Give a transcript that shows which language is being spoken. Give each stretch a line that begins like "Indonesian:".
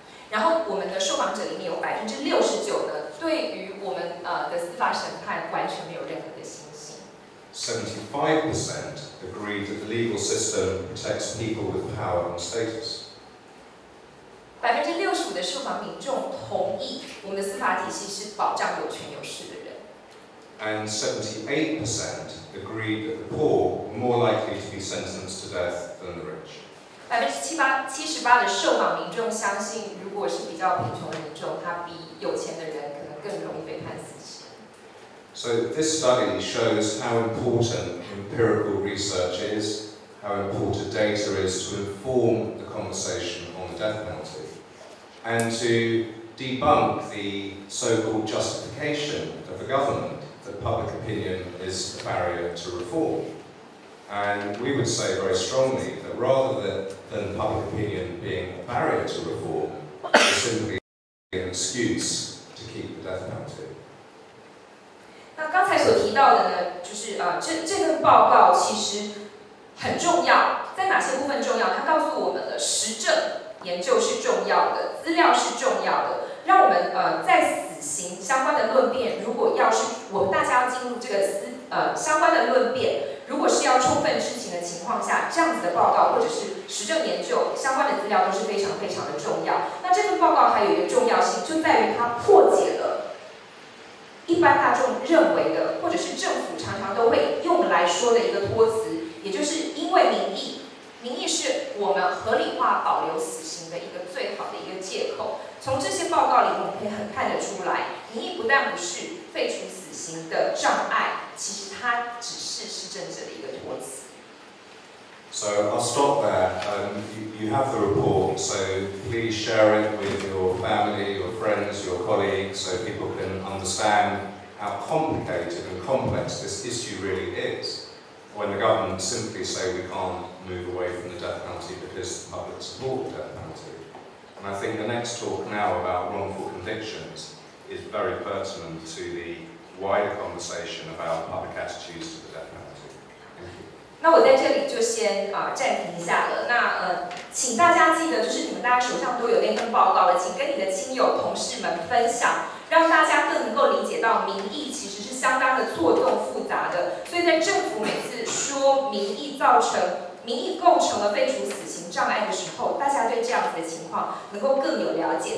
Chinese: 然后我们的受访者里面有69%呢，对于我们的司法审判完全没有任何的信心。
English: 75% agreed that the legal system protects people with power and status.
Chinese: 65%的受访民众同意我们的司法体系是保障有权有势的人。
English: And 78% agreed that the poor are more likely to be sentenced to death than the rich.
Chinese: 78%的受访民众相信，如果是比较贫穷的民众，他比有钱的人可能更容易被判死。
English: So this study shows how important empirical research is, how important data is to inform the conversation on the death penalty, and to debunk the so-called justification of the government that public opinion is a barrier to reform. And we would say very strongly that rather than public opinion being a barrier to reform, it's simply an excuse to keep the death penalty.
Chinese: 那刚才所提到的呢，就是这份报告其实很重要，在哪些部分重要？它告诉我们了，实证研究是重要的，资料是重要的，让我们在死刑相关的论辩，如果要是我们大家要进入这个相关的论辩，如果是要充分知情的情况下，这样子的报告或者是实证研究相关的资料都是非常非常的重要。那这份报告还有一个重要性，就在于它破解了一般大众认为的，或者是政府常常都会用来说的一个托词，也就是因为民意是我们合理化保留死刑的一个最好的一个借口。从这些报告里，我们可以很看得出来，民意不但不是废除死刑的障碍，其实它只是施政者的一个托词。
English: So I'll stop there. You have the report, so please share it with your family, your friends, your colleagues, so people can understand how complicated and complex this issue really is when the government simply say we can't move away from the death penalty because the public support the death penalty. And I think the next talk now about wrongful convictions is very pertinent to the wider conversation about public attitudes to the death penalty.
Chinese: 那我在这里就先暂停一下了。那请大家记得，就是你们大家手上都有那份报告了，请跟你的亲友同事们分享，让大家更能够理解到民意其实是相当的错综复杂的。所以在政府每次说民意构成了废除死刑障碍的时候，大家对这样子的情况能够更有了解。